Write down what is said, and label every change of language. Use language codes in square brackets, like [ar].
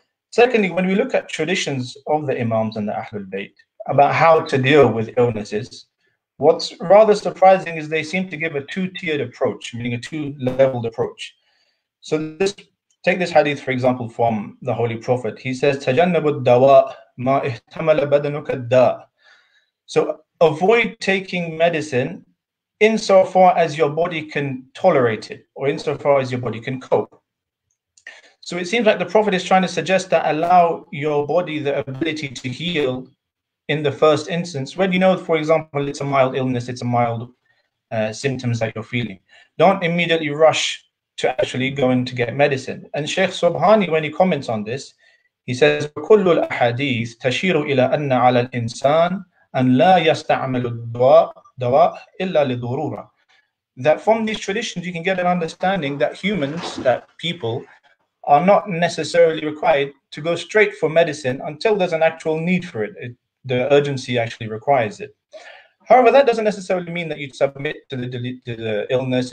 [en] Secondly, when we look at traditions of the Imams and the Ahlul Bayt about how to deal with illnesses, what's rather surprising is they seem to give a two-tiered approach, meaning a two-leveled approach. So this, take this hadith, for example, from the Holy Prophet. He says, [ar] تَجَنَّبُ الدَّوَاءَ مَا اِحْتَمَلَ بَدَنُكَ الدَّاءَ. [en] So avoid taking medicine insofar as your body can tolerate it, or insofar as your body can cope. So it seems like the Prophet is trying to suggest that allow your body the ability to heal in the first instance, when you know, for example, it's a mild illness, it's a mild symptoms that you're feeling. Don't immediately rush to actually go in to get medicine. And Sheikh Subhani, when he comments on this, he says, [ar] وَكُلُّ الْأَحَادِيثِ تَشِيرُ إِلَىٰ أَنَّ عَلَى الْإِنسَانِ أَنْ لَا يَسْتَعْمَلُ الدَّوَاءِ إِلَّا لِضُرُورًا. [en] That from these traditions, you can get an understanding that humans, that people, are not necessarily required to go straight for medicine until there's an actual need for it. The urgency actually requires it. However, that doesn't necessarily mean that you submit to the illness.